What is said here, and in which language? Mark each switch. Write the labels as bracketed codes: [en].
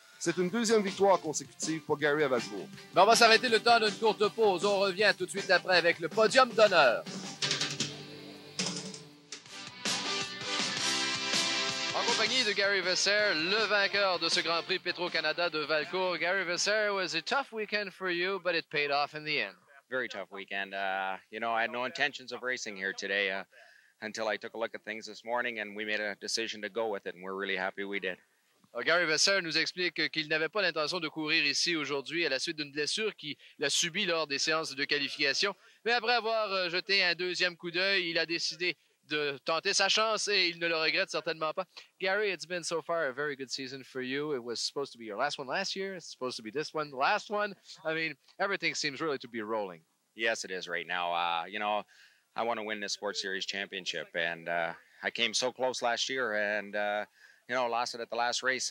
[fr] C'est une deuxième victoire consécutive pour Gary à Valcourt. Mais on va s'arrêter le temps d'une courte pause. On revient tout de suite après avec le podium d'honneur. En compagnie de Gary Visser, le vainqueur de ce Grand Prix Petro-Canada de Valcourt. [en] Gary Visser, it was a tough weekend for you, but it paid off in the end. Very tough weekend. You know, I had no intentions of racing here today until I took a look at things this morning and we made a decision to go with it and we're really happy we did. [fr] Gary Visser nous explique qu'il n'avait pas l'intention de courir ici aujourd'hui à la suite d'une blessure qu'il a subie lors des séances de qualification. Mais après avoir jeté un deuxième coup d'œil, il a décidé de tenter sa chance et il ne le regrette certainement pas. [en] Gary, it's been so far a very good season for you. It was supposed to be your last one last year. It's supposed to be this one, the last one. I mean, everything seems really to be rolling. Yes, it is right now. You know, I want to win this Sports Series championship. And I came so close last year and, you know, lost it at the last race.